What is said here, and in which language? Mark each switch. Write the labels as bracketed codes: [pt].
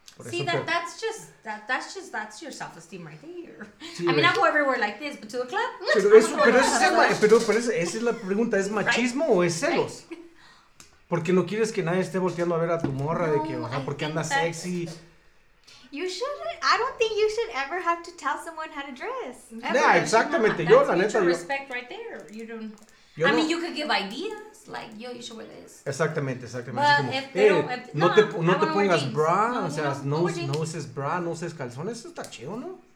[en] See, that's your self-esteem right there. Sí, I mean, I go everywhere like this, but to a club? [es] Pero esa es la pregunta, ¿es machismo, right, o es celos? Porque no quieres que nadie esté volteando a ver a tu morra, no, de que, o sea, porque anda sexy. [en] You shouldn't, I don't think you should ever have to tell someone how to dress. [es] Yeah, exactamente, yo, [en] that's [es] la neta. [en] That's respect right there. I mean, you could give ideas. Like, yo, you should wear this. [es] Exactamente. [en] But [es] no te pongas bra, no, o sea, no uses bra, no uses calzones, eso está chido, ¿no?